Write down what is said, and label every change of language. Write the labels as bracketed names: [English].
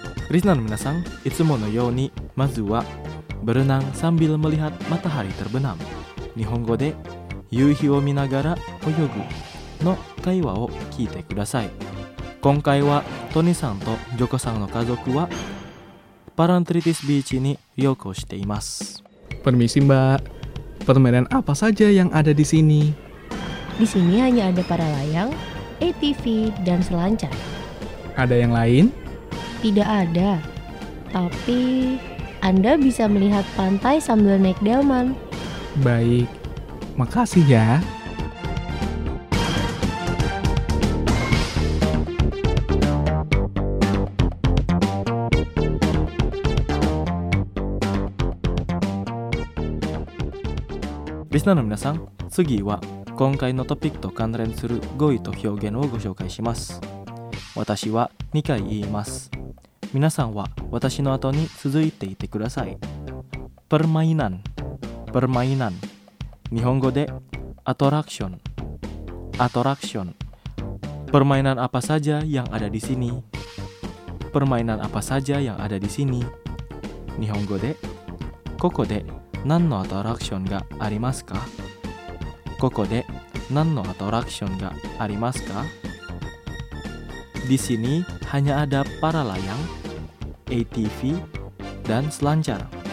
[Japanese] リスナーの皆さん、いつものようにまずは [Indonesian] Berenang sambil melihat matahari terbenam、 [Japanese] 日本語で夕日を見ながら泳ぐの会話を聞いてください。今回はトニさんとジョコさんの家族はパラントリティスビーチに旅行しています。 [Indonesian] Permisi mbak, permainan apa saja yang ada di sini? Di sini hanya ada para layang, ATV, dan selancar. Ada yang lain? Tidak ada, tapi Anda bisa melihat pantai sambil naik delman. Baik, makasih ya. [Japanese] Listener の皆さん、次は今回のトピックと関連する語彙と表現をご紹介します。私は2回言います。皆さんは私の後に続いていてください。 Permainan、permainan、日本語でアトラクション、アトラクション。 [Indonesian] Permainan apa saja yang ada di sini? Permainan apa saja yang ada di sini? [Japanese] 日本語でここで何のアトラクションがありますか？ここで何のアトラクションがありますか？ [Indonesian] Di sini hanya ada para layang. ATV dan selancar.